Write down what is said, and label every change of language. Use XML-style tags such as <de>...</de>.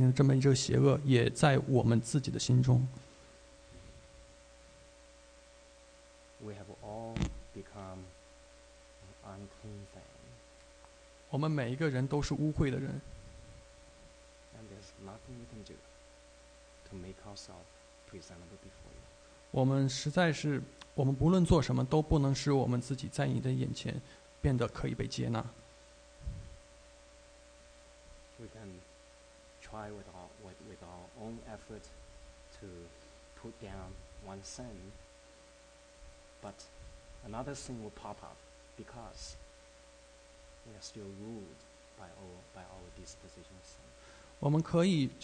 <zh>在这个事情上引起这个世界各种邪恶的事情，这么一个邪恶也在我们自己的心中。</zh> <en>We have all become an unclean thing.</en> <zh>我们每一个人都是污秽的人。</zh> <en>And there's nothing we can do to make ourselves presentable before you.</en> <zh>我们实在是，我们不论做什么，都不能使我们自己在你的眼前变得可以被接纳。</zh> <en>We can try with our own effort to put down one sin, but another sin will pop up because we are still ruled by our disposition of sin.</en>